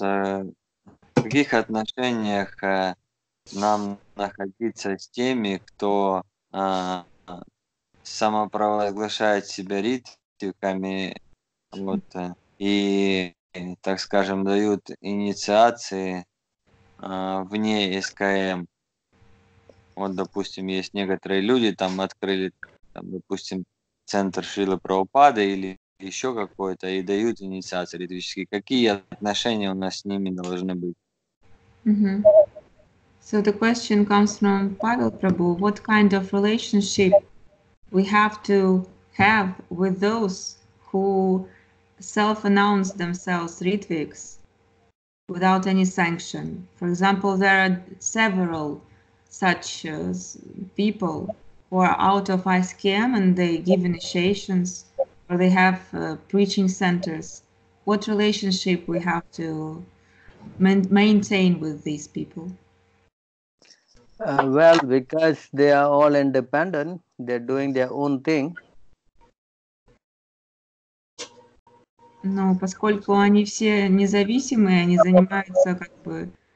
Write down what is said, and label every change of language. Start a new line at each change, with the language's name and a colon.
Russian: В каких отношениях нам находиться с теми, кто самопровозглашает себя ритвиками, вот, и, так скажем, дают инициации вне СКМ? Вот, допустим, есть некоторые люди, там открыли, там, допустим, центр Шрилы Прабхупады или еще какой-то, и дают инициации ритвические. Какие отношения у нас с ними должны быть?
English: So the question comes from Pavel Prabhu. What kind of relationship we have with those who self-announce themselves Ritviks without any sanction? For example, there are several such people who are out of ISKM and they give initiations or they have preaching centers. What relationship we have to maintain with these people? Well, because they are all independent, they're doing their own thing.
Russian: Но поскольку они все независимые, они занимаются как бы.